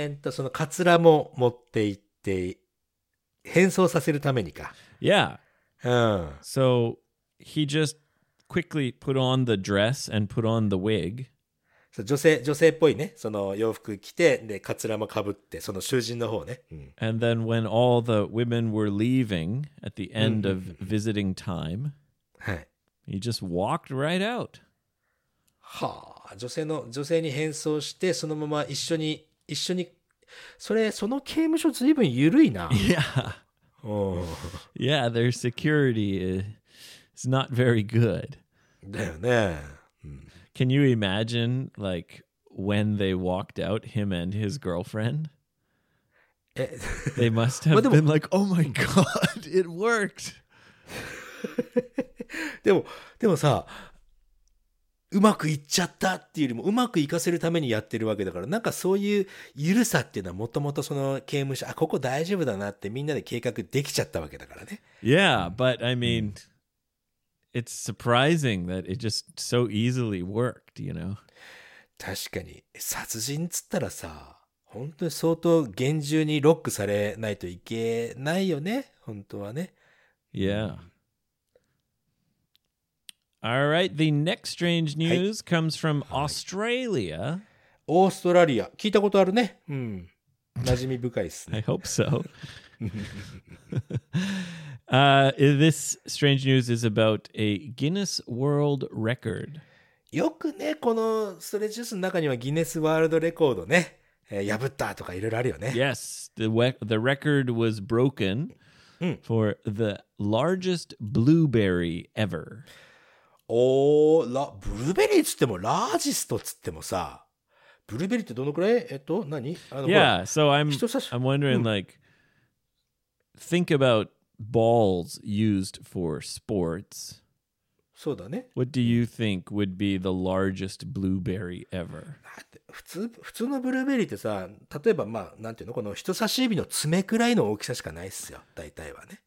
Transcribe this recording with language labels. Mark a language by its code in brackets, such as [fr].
[ja] そのカツラも持っていって、変装させるためにか。 [en] Yeah.、 [ja] うん、 [en] so he just quickly put on the dress and put on the wig. [ja] 女性っぽいね。その洋服着て、でカツラもかぶって、その囚人の方ね。うん、 [en] and then when all the women were leaving at the end of visiting time. [ja] はい。 [en] He just walked right out. [ja] はあ、女性に変装して、そのまま一緒に、それ、その刑務所ずいぶん緩いな。 [en] Yeah. Oh. Yeah, their security is not very good. [ja] だよね。 [en] Can you imagine, like, when they walked out, him and his girlfriend? They must have been like, oh my god, it worked! [ja] でもさ、うまくいっちゃったっていうよりもうまくいかせるためにやってるわけだから、なんかそういう緩さっていうのはもともとその刑務所、あ、ここ大丈夫だなってみんなで計画できちゃったわけだからね。 [en] Yeah, but I mean,、うん、it's surprising that it just so easily worked, you know. [ja] 確かに、殺人っつったらさ、本当に相当厳重にロックされないといけないよね、本当はね。 [en] Yeah. All right, the next strange news、はい、comes from Australia. [ja] オーストラリア。聞いたことあるね。うん。馴染み深いですね。 [en] I hope so. this strange news is about a Guinness World Record. [ja] よくね、このストレッチの中にはギネスワールドレコードね、破ったとかいろいろあるよね。 [en] Yes, the record was broken、 [ja] うん、 [en] for the largest blueberry ever. [ja] おお、ブルーベリーっつってもラージストっつってもさ、ブルーベリーってどのくらい、何、 [en] Yeah, so I'm wondering、うん、like think about balls used for sports. [ja] そうだね。 [en] What do you think would be the largest blueberry ever? [ja] 普通のブルーベリーってさ、例えばまあなんていうの、この人差し指の爪くらいの大きさしかないっすよ、大体はね。